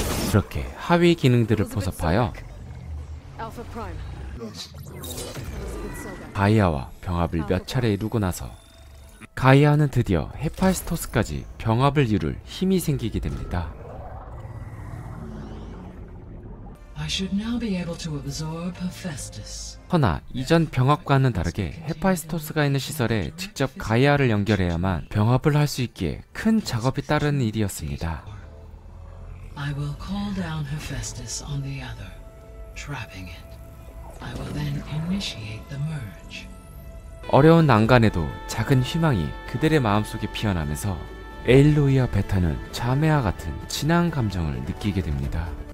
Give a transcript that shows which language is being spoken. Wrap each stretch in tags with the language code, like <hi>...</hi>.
<ko>그렇게 하위 기능들을 포섭하여 가이아와 병합을 몇 차례 이루고 나서 가이아는 드디어 헤파이스토스까지 병합을 이룰 힘이 생기게 됩니다.</ko> <en>I should now be able to absorb Hephaestus.</en> <ko>허나 이전 병합과는 다르게 헤파이스토스가 있는 시설에 직접 가이아를 연결해야만 병합을 할 수 있기에 큰 작업이 따르는 일이었습니다.</ko> <en>I will call down Hephaestus on the other, trapping it. I will then initiate the merge.</en> <ko>어려운 난간에도 작은 희망이 그들의 마음속에 피어나면서 에일로이와 베타는 자매와 같은 친한 감정을 느끼게 됩니다.</ko>